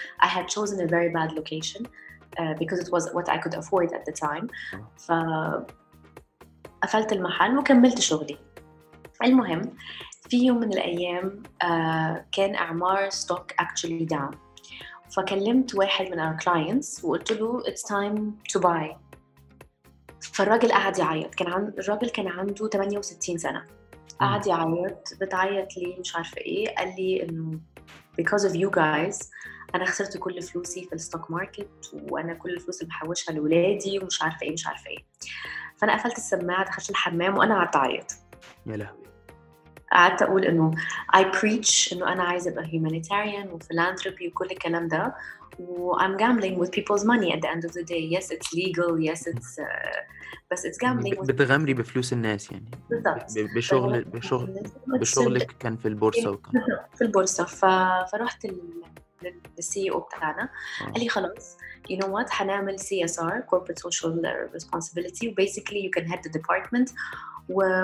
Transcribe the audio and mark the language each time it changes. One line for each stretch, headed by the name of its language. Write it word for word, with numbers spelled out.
English: I had chosen a very bad location uh, because it was what I could afford at the time. اه
Arabic: فقفلت المحل وكملت شغلي. المهم في يوم من الأيام آه، كان إعمار ستوك
English: actually down.
Arabic: فكلمت واحد من
English: our clients
Arabic: وقلت له
English: it's time to buy.
Arabic: فالراجل قعد يعيط. كان عن... الراجل كان عنده ثمانية وستين سنة. مم. قعد يعيط بتعيط ليه مش عارفة إيه. قال لي إنه
English: because of you guys
Arabic: أنا خسرت كل فلوسي في الستوك ماركت وأنا كل الفلوس اللي بحوشها لولادي ومش عارفة إيه مش عارفة إيه. فأنا قفلت السماعة دخلت الحمام وأنا قعدت أعيط. يا لهوي قعدت اقول انه
English: I preach
Arabic: انه انا عايزه ابقى
English: humanitarian و philanthropy
Arabic: وكل الكلام ده و
English: I'm gambling with people's money at the end of the day. Yes it's legal, yes it's uh,
Arabic: بس
English: it's
Arabic: يعني
English: gambling ب- with
Arabic: بتغامري بفلوس الناس يعني بالضبط. ب- فأنا بشغل بشغل بتصير بشغلك كان في البورصة وكان في البورصة. ف... فرحت لل- لل- للسي او بتاعنا قال اه لي خلاص
English: you know what
Arabic: هنعمل سي اس ار
English: corporate social responsibility basically you can head the department. و...